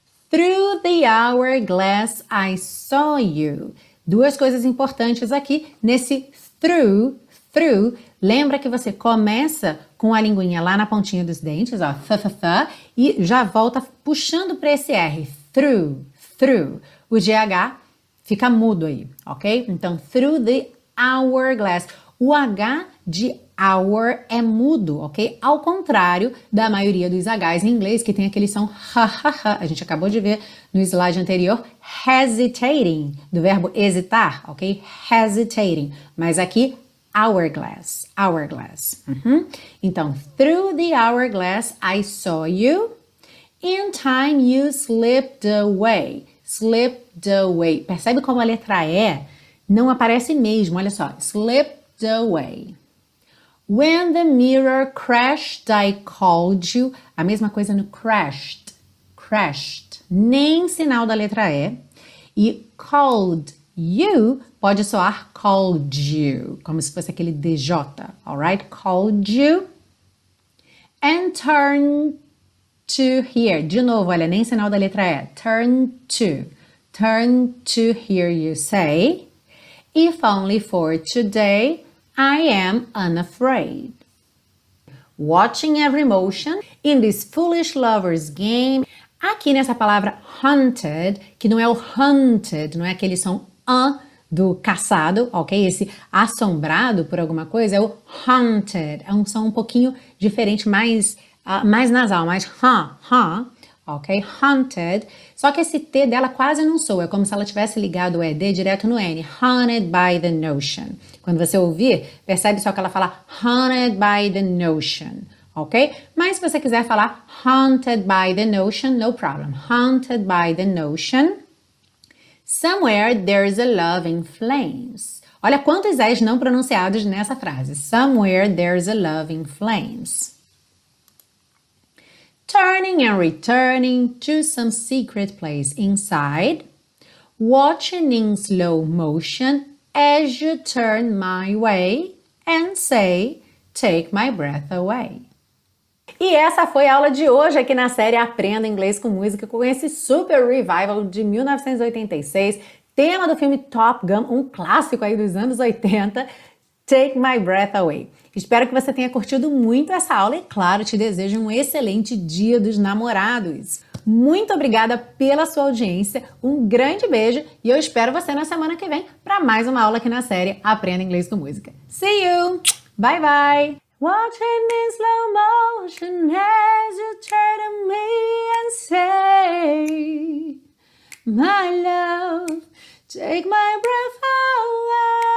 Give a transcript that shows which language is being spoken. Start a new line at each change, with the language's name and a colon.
English: Through the hourglass I saw you.
Portuguese: Duas coisas importantes aqui nesse through, through. Lembra que você começa com a linguinha lá na pontinha dos dentes, ó, th, th, th, e já volta puxando para esse R, through, through. O GH fica mudo aí, ok?
English: Então, through the hourglass.
Portuguese: O H de hour é mudo, ok? Ao contrário da maioria dos Hs em inglês, que tem aquele som ha, ha, ha. A gente acabou de ver no slide anterior, hesitating, do verbo hesitar, ok? Hesitating. Mas aqui, hourglass, hourglass. Uhum.
English: Então, through the hourglass I saw you. In time you slipped away. Slipped away.
Portuguese: Percebe como a letra E não aparece mesmo, olha só.
English: Slipped away. When the mirror crashed, I called you.
Portuguese: A mesma coisa no crashed. Crashed. Nem sinal da letra E. E called you pode soar called you, como se fosse aquele DJ, alright? Called you.
English: And turn to hear.
Portuguese: De novo, olha, nem sinal da letra E.
English: Turn to. Turn to hear you say. If only for today, I am unafraid. Watching every motion in this foolish lover's game.
Portuguese: Aqui nessa palavra hunted, que não é o hunted, não é aquele som do caçado, ok? Esse assombrado por alguma coisa é o hunted. É um som um pouquinho diferente, mais nasal, mais huh, ok? Hunted. Só que esse T dela quase não soa. É como se ela tivesse ligado o ED direto no N. Hunted by the notion. Quando você ouvir, percebe só que ela fala
English: hunted by the notion,
Portuguese: ok? Mas se você quiser falar
English: hunted by the notion, no problem. Hunted by the notion. Somewhere there's a love in flames.
Portuguese: Olha quantos S não pronunciados nessa frase.
English: Somewhere there's a love in flames. Turning and returning to some secret place inside. Watching in slow motion as you turn my way and say, take my breath away.
Portuguese: E essa foi a aula de hoje aqui na série Aprenda Inglês com Música, com esse super revival de 1986, tema do filme Top Gun, um clássico aí dos anos 80, Take My Breath Away. Espero que você tenha curtido muito essa aula e, claro, te desejo um excelente Dia dos Namorados. Muito obrigada pela sua audiência, um grande beijo e eu espero você na semana que vem para mais uma aula aqui na série Aprenda Inglês com Música.
English: See you! Bye, bye! Watching in slow motion as you turn to me and say, my love, take my breath away.